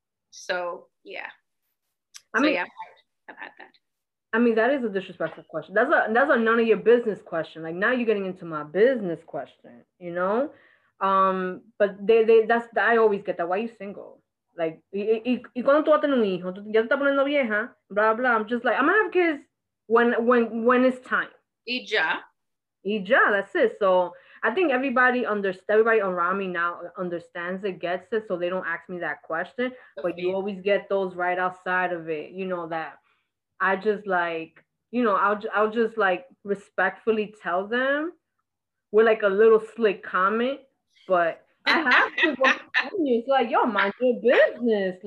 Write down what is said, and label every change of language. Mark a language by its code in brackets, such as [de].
[en] So, yeah. I've had that. I mean, that is a disrespectful question. That's a none of your business question. Like, now you're getting into my business question, you know? But that's I always get that. Why are you single? [es] Like, y cuando tú vas a tener un hijo, ya te estás poniendo vieja, blah, blah. [en] I'm just like, I'm gonna have kids when it's time. [es] Y ya, [en] that's it. So I think everybody around me now understands it, gets it, so they don't ask me that question. Okay. But you always get those right outside of it, you know, that. I just like, you know, I'll just like respectfully tell them with like a little slick comment, but I have to go tell you. It's like, yo, mind your business.